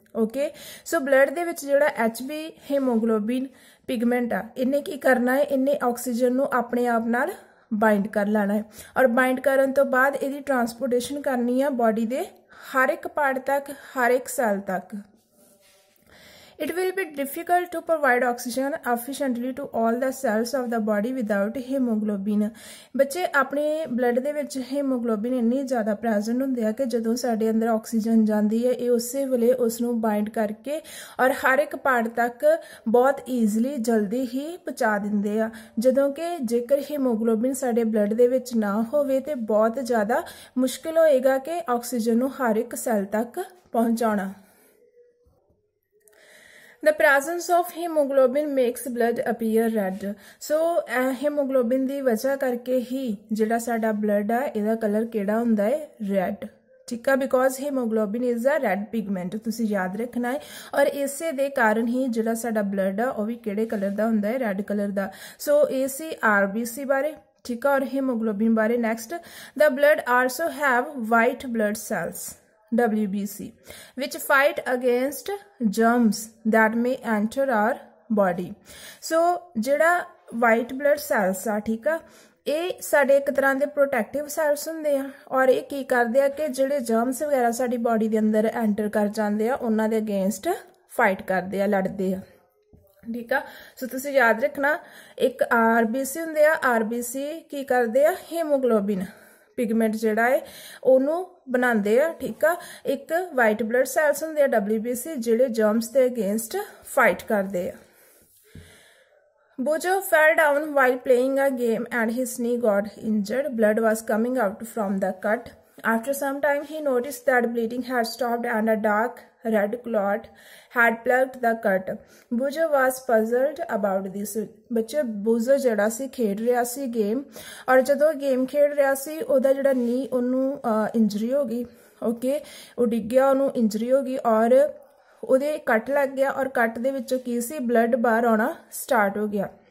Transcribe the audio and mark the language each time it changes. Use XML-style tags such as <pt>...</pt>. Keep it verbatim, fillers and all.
<pa>Okay, ਸੋ blood ਦੇ ਵਿੱਚ ਜਿਹੜਾ ਐਚ ਬੀ ਹੀਮੋਗਲੋਬਿਨ ਪਿਗਮੈਂਟ ਆ, ਇਹਨੇ ਕੀ ਕਰਨਾ ਹੈ, ਇਹਨੇ ਆਕਸੀਜਨ ਨੂੰ ਆਪਣੇ ਆਪ ਨਾਲ ਬਾਈਂਡ ਕਰ ਲੈਣਾ ਹੈ ਔਰ ਬਾਈਂਡ ਕਰਨ ਤੋਂ ਬਾਅਦ ਇਹਦੀ ਟਰਾਂਸਪੋਰਟੇਸ਼ਨ ਕਰਨੀ ਆ ਬਾਡੀ ਦੇ ਹਰ ਇੱਕ ਪਾਰਟ ਤੱਕ, ਹਰ ਇੱਕ ਸੈੱਲ ਤੱਕ।</pa> <en>It will be difficult to provide oxygen efficiently to all the cells of the body without hemoglobin.</en> <pa>ਬੱਚੇ ਆਪਣੇ ਬਲੱਡ ਦੇ ਵਿੱਚ ਹੀਮੋਗਲੋਬਿਨ ਇੰਨੀ ਜ਼ਿਆਦਾ ਪ੍ਰੈਜ਼ੈਂਟ ਹੁੰਦੇ ਆ ਕਿ ਜਦੋਂ ਸਾਡੇ ਅੰਦਰ ਆਕਸੀਜਨ ਜਾਂਦੀ ਹੈ, ਇਹ ਉਸੇ ਵੇਲੇ ਉਸ ਨੂੰ ਬਾਈਂਡ ਕਰਕੇ ਔਰ ਹਰ ਇੱਕ ਪਾਰਟ ਤੱਕ ਬਹੁਤ ਈਜ਼ਲੀ, ਜਲਦੀ ਹੀ ਪਹੁੰਚਾ ਦਿੰਦੇ ਆ। ਜਦੋਂ ਕਿ ਜੇਕਰ ਹੀਮੋਗਲੋਬਿਨ ਸਾਡੇ ਬਲੱਡ ਦੇ ਵਿੱਚ ਨਾ ਹੋਵੇ ਤੇ ਬਹੁਤ ਜ਼ਿਆਦਾ ਮੁਸ਼ਕਿਲ ਹੋਏਗਾ ਕਿ ਆਕਸੀਜਨ ਨੂੰ ਹਰ ਇੱਕ ਸੈੱਲ ਤੱਕ ਪਹੁੰਚਾਉਣਾ।</pa> <en>The presence of hemoglobin makes blood appear red.</en> <pa>So hemoglobin ਦੀ ਵਜ੍ਹਾ ਕਰਕੇ ਹੀ ਜਿਹੜਾ ਸਾਡਾ ਬਲੱਡ ਆ, ਇਹਦਾ ਕਲਰ ਕਿਹੜਾ ਹੁੰਦਾ ਹੈ? ਰੈੱਡ। ਠੀਕ ਆ,</pa> <en>because haemoglobin is a red pigment,</en> <pa>ਤੁਸੀਂ ਯਾਦ ਰੱਖਣਾ ਹੈ। ਔਰ ਇਸੇ ਦੇ ਕਾਰਨ ਹੀ ਜਿਹੜਾ ਸਾਡਾ ਬਲੱਡ ਆ, ਉਹ ਵੀ ਕਿਹੜੇ ਕਲਰ ਦਾ ਹੁੰਦਾ ਹੈ? ਰੈੱਡ ਕਲਰ ਦਾ। ਸੋ ਇਹ ਸੀ ਆਰ ਬੀ ਸੀ ਬਾਰੇ, ਠੀਕ ਆ, ਔਰ ਹੀਮੋਗਲੋਬਿਨ ਬਾਰੇ।</pa> <en>Next, the blood also have white blood cells, W B C, which fight against germs that may enter our body.</en> <pa>So ਜਿਹੜਾ ਵਾਈਟ ਬਲੱਡ ਸੈਲਸ ਆ, ਠੀਕ ਆ, ਇਹ ਸਾਡੇ ਇੱਕ ਤਰ੍ਹਾਂ ਦੇ ਪ੍ਰੋਟੈਕਟਿਵ ਸੈਲਸ ਹੁੰਦੇ ਆ ਔਰ ਇਹ ਕੀ ਕਰਦੇ ਆ ਕਿ ਜਿਹੜੇ ਜਰਮਸ ਵਗੈਰਾ ਸਾਡੀ ਬਾਡੀ ਦੇ ਅੰਦਰ ਐਂਟਰ ਕਰ ਜਾਂਦੇ ਆ, ਉਹਨਾਂ ਦੇ ਅਗੇਂਸਟ ਫਾਈਟ ਕਰਦੇ ਆ, ਲੜਦੇ ਆ। ਠੀਕ ਆ, ਸੋ ਤੁਸੀਂ ਯਾਦ ਰੱਖਣਾ, ਇੱਕ ਆਰ ਬੀ ਸੀ ਹੁੰਦੇ ਆ, ਆਰ ਬੀ ਸੀ ਕੀ ਕਰਦੇ ਆ? ਹੀਮੋਗਲੋਬਿਨ ਪਿਗਮੈਂਟ ਜਿਹੜਾ ਹੈ ਉਹਨੂੰ ਬਣਾਉਂਦੇ ਆ, ਠੀਕ ਆ। ਇੱਕ ਵਾਈਟ ਬਲੱਡ ਸੈਲਸ ਹੁੰਦੇ ਆ, ਡਬਲਯੂ ਬੀ ਸੀ, ਜਿਹੜੇ ਜਰਮਸ ਦੇ ਅਗੇਂਸਟ ਫਾਈਟ ਕਰਦੇ ਆ।</pa> <en>Bojo fell down while playing a game and his knee got injured. Blood was coming out from the cut. After some time he noticed that bleeding had stopped and a dark red clot had plugged the cut. Bojo was puzzled about this.</en> <pa>ਬੱਚੇ ਬੂਜੋ ਜਿਹੜਾ ਸੀ ਖੇਡ ਰਿਹਾ ਸੀ game, ਔਰ ਜਦੋਂ game ਖੇਡ ਰਿਹਾ ਸੀ ਉਹਦਾ ਜਿਹੜਾ ਨੀ, ਉਹਨੂੰ ਇੰਜਰੀ ਹੋ ਗਈ। ਓਕੇ, ਉਹ ਡਿੱਗ ਗਿਆ, ਉਹਨੂੰ ਇੰਜਰੀ ਹੋ ਗਈ ਔਰ ਉਹਦੇ ਕੱਟ ਲੱਗ ਗਿਆ ਔਰ ਕੱਟ ਦੇ ਵਿੱਚੋਂ ਕੀ ਸੀ, ਬਲੱਡ ਬਾਹਰ ਆਉਣਾ ਸਟਾਰਟ ਹੋ ਗਿਆ।</pa>